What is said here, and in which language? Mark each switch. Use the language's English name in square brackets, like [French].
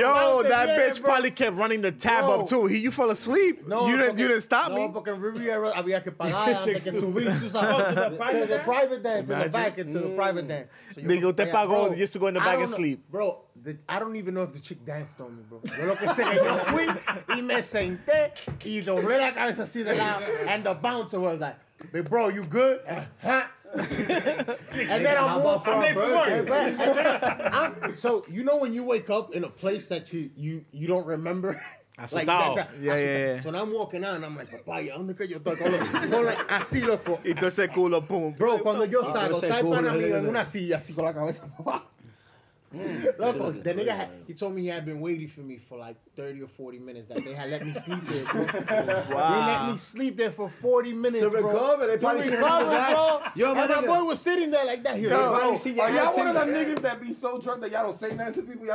[English] Yo, that bitch probably kept running the tab up, too. You fell asleep. No, you didn't stop me. [Spanish] No, porque en Riviera había que pagar. Había que subir. [English] To the private dance. Imagine. To the private dance. [Spanish] Nigga, te pagó. [English] You used to go in the back and sleep. Bro, I don't even know if the chick danced on me, bro. [Spanish] Yo lo que sé, yo fui y me senté y doblé la cabeza así de lado. [English] And the bouncer was like, but bro, you good? And then I'm walking so you know when you wake up in a place that you don't remember like that so now I'm walking out and I'm like [Spanish] papá yo dónde que yo estoy así loco y todo ese culo boom bro cuando yo salgo está el pana mío en una silla así con la cabeza papá. [English] Loco, the nigga he told me he had been waiting for me for like 30 or 40 minutes that they had let me sleep there. Wow. They let me sleep there for 40 minutes, to recover. Bro. They probably to recover, bro. Yo, and my boy was sitting there like that. Yo, bro. Are y'all one of them niggas that be so drunk that y'all don't say nothing to people?